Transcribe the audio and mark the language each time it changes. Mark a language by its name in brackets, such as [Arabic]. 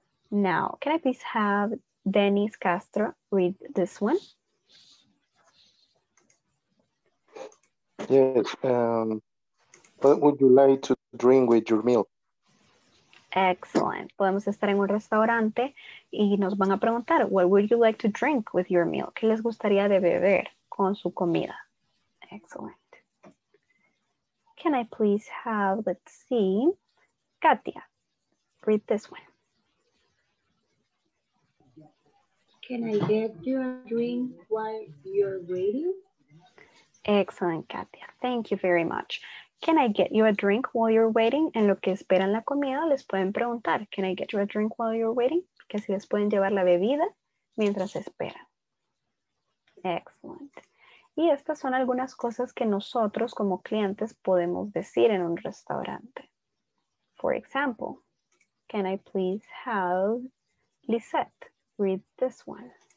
[English] Now, can I please have Dennis Castro read this one? Yes, what would you like to drink with your meal? Excellent. [Spanish] Podemos estar en un restaurante y nos van a preguntar, [English] what would you like to drink with your meal? [Spanish] ¿Qué les gustaría de beber con su comida? [English] Excellent. Can I please have, let's see, Katia, read this one. Can I get you a drink while you're waiting? Excellent, Katia. Thank you very much. Can I get you a drink while you're waiting? [Spanish] En lo que esperan la comida, les pueden preguntar, [English] can I get you a drink while you're waiting? [Spanish] Que si les pueden llevar la bebida mientras esperan. Excellent. Y estas son algunas cosas que nosotros como clientes podemos decir en un restaurante. [English] For example, Can I please have Lisette read this one?